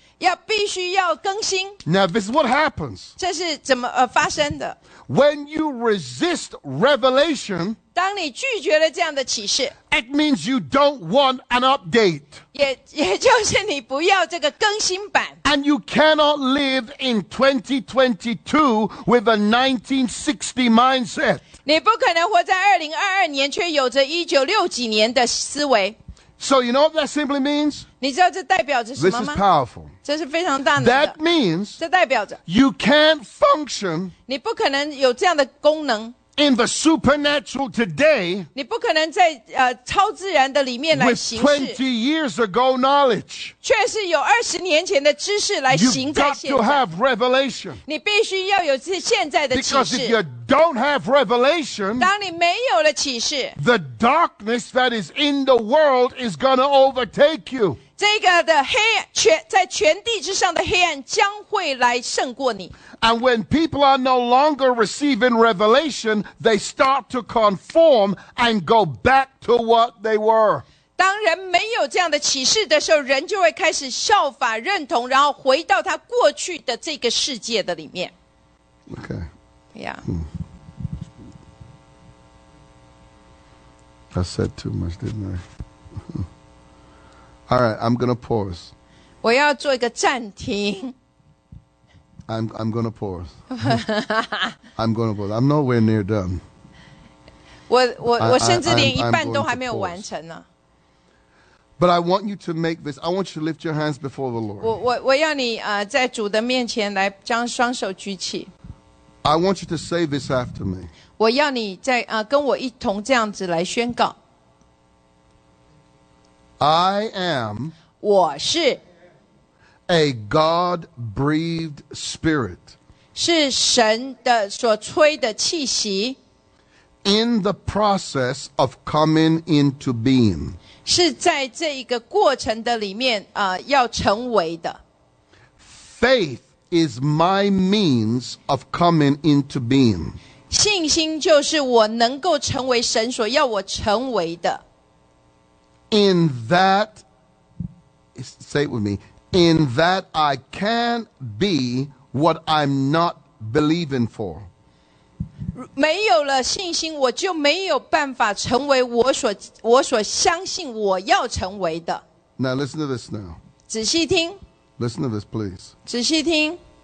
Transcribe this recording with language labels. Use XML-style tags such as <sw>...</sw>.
<zh>要必须要更新。</zh> <en>Now this is what happens.</en> <zh>这是怎么发生的</zh> <en>？When you resist revelation，</en> <zh>当你拒绝了这样的启示</zh> <en>，it means you don't want an update.</en> <zh>也就是你不要这个更新版。</zh> <en>And you cannot live in 2022 with a 1960 mindset.</en> <zh>你不可能活在2022年却有着1960几年的思维。</zh> <en>So you know what that simply means?</en> <zh>你知道这代表着什么吗？</zh> <en>This is powerful.</en> <zh>这是非常大能的。</zh> <en>That means</en> <zh>这代表着</zh> <en>you can't function</en> <zh>你不可能有这样的功能</zh> <en>in the supernatural today</en> <zh>你不可能在超自然的里面来行事</zh> <en>with 20 years ago knowledge</en> <zh>却是有20年前的知识来行在现在</zh> <en>You've got to have revelation</en> <zh>你必须要有现在的启示</zh> <en>Because if you don't have revelation</en> <zh>当你没有了启示</zh> <en>The darkness that is in the world is going to overtake you</en> <zh>这个的黑全在全地之上的黑暗将会来胜过你。</zh> <en>And when people are no longer receiving revelation, they start to conform and go back to what they were.</en> <zh>当人没有这样的启示的时候，人就会开始效法认同，然后回到他过去的这个世界的里面。</zh> <en>Okay. Yeah. I said too much, didn't I? All right, I'm going to pause.</en> <zh>我要做一个暂停。</zh> <en>I'm going to pause. I'm going to pause. I'm nowhere near done.</en> <zh>我甚至连一半都还没有完成呢。</zh> <en>But I want you to make this. I want you to lift your hands before the Lord.</en> <zh>我要你在主的面前来将双手举起。</zh> <en>I want you to say this after me.</en> <zh>我要你在跟我一同这样子来宣告。</zh> <en>I am</en> <zh>我是</zh> <en>a God-breathed spirit</en> <zh>是神的所吹的气息</zh> <en>in the process of coming into being</en> <zh>是在这一个过程的里面要成为的</zh> <en>Faith is my means of coming into being</en> <zh>信心就是我能够成为神所要我成为的</zh> <en>In that, say it with me, in that I can be what I'm not believing for.</en> <zh>没有了信心，我就没有办法成为我所相信我要成为的。</zh> <en>Now listen to this now.</en> <zh>仔细听。</zh> <en>Listen to this, please.</en> <zh>仔细听。</zh>